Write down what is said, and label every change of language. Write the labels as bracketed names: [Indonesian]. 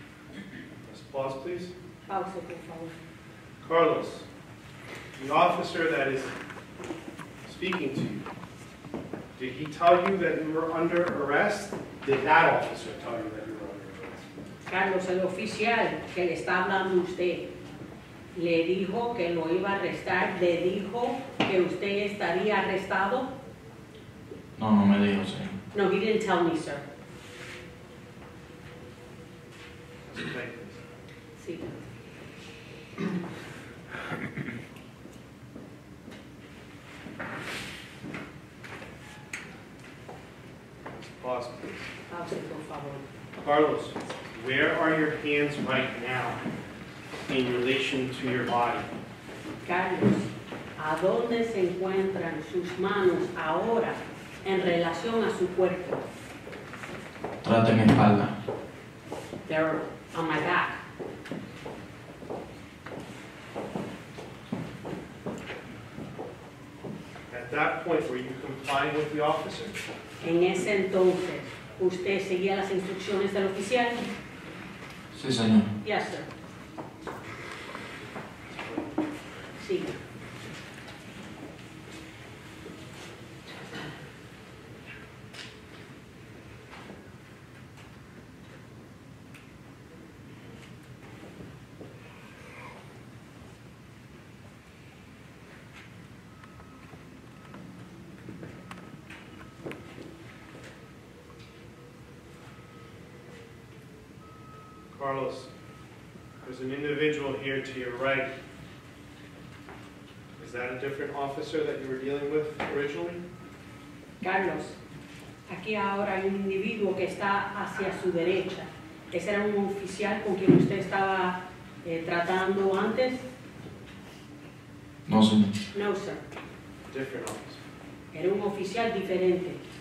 [English] Press pause, please. [Spanish] Pause, por favor. [English] Carlos, the officer that is speaking to you, did he tell you that you were under arrest? Did that officer tell you that you were under arrest? [Spanish] Carlos, el oficial que le está hablando a usted, le dijo que lo iba a arrestar, le dijo que usted estaría arrestado? No, no me dijo, señor. [English] No, he didn't tell me, sir. [Spanish] Sí. [English] Pause, please. Carlos, where are your hands right now in relation to your body? [Spanish] Carlos, ¿a dónde se encuentran sus manos ahora en relación a su cuerpo? Atrás de mi espalda. [English] They're on my back. At that point, were you complying with the officer? [Spanish] En ese entonces, ¿usted seguía las instrucciones del oficial? Sí, señor. [English] Yes, sir. [Spanish] Sí. [English] Carlos, there's an individual here to your right. Is that a different officer that you were dealing with originally? [Spanish] Carlos, aquí ahora hay un individuo que está hacia su derecha. ¿Ese era un oficial con quien usted estaba tratando antes? No, señor. [English] No, sir. Different officer. [Spanish] Era un oficial diferente.